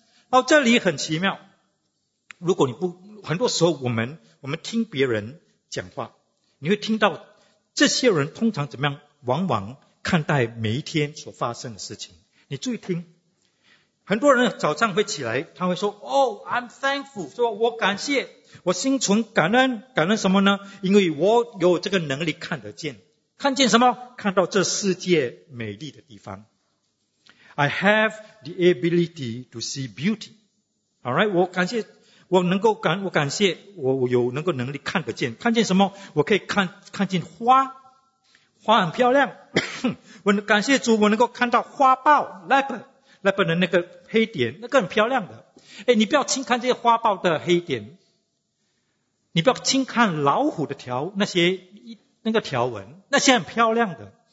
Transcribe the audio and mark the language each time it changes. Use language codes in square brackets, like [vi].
[zh] 到这里很奇妙，如果你不，很多时候我们听别人讲话，你会听到这些人通常怎么样，往往看待每一天所发生的事情。你注意听，很多人早上会起来，他会说 [en] Oh, I'm thankful， [zh] 说我感谢，我心存感恩。感恩什么呢？因为我有这个能力看得见。看见什么？看到这世界美丽的地方。 [en] I have the ability to see beauty. [zh] Alright， 我感谢，我感谢，我有能力看得见。看见什么？我可以看见花，花很漂亮。我感谢主，我能够看到花苞 ，leopard 的那个黑点，那个很漂亮的。哎，你不要轻看这些花苞的黑点，你不要轻看老虎的条，那个条纹，那些很漂亮的。